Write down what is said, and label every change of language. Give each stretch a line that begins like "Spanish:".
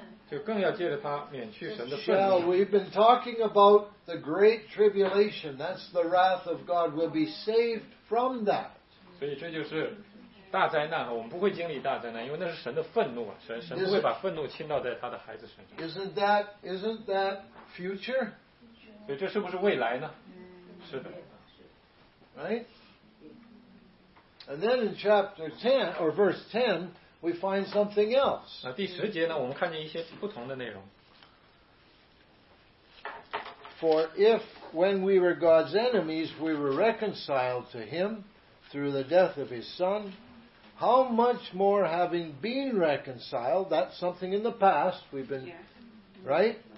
Chinese: 就更要借着他免去神的愤怒。
English: Shall we've been talking about the great tribulation? That's the wrath of God. We'll be saved from that.
Chinese: 所以这就是大灾难，我们不会经历大灾难，因为那是神的愤怒啊！神不会把愤怒倾倒在他的孩子身上。
English: Isn't that future?
Chinese: 所以这是不是未来呢？是的。
English: Right? And then in chapter 10 or verse 10, we find something else.
Chinese: 那第十节呢？我们看见一些不同的内容。
English: For if when we were God's enemies, we were reconciled to Him through the death of His Son. How much more having been reconciled, that's something in the past, we've been, right?